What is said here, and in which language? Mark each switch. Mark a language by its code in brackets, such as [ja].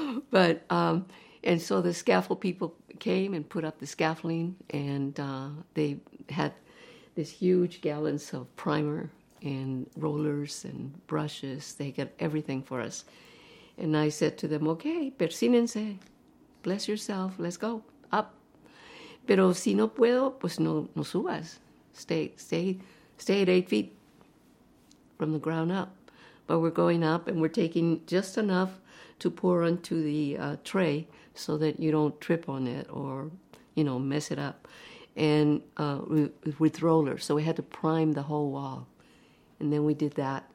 [en] But, and so the scaffold people came and put up the scaffolding, and they had this huge gallons of primer and rollers and brushes. They got everything for us. And I said to them, okay, persínense, bless yourself, let's go, up. [es] Pero si no puedo, pues no, no subas. [en] Stay at 8 feet from the ground up. But we're going up, and we're taking just enough to pour onto the tray so that you don't trip on it or, you know, mess it up. And with rollers. So we had to prime the whole wall. And then we did that.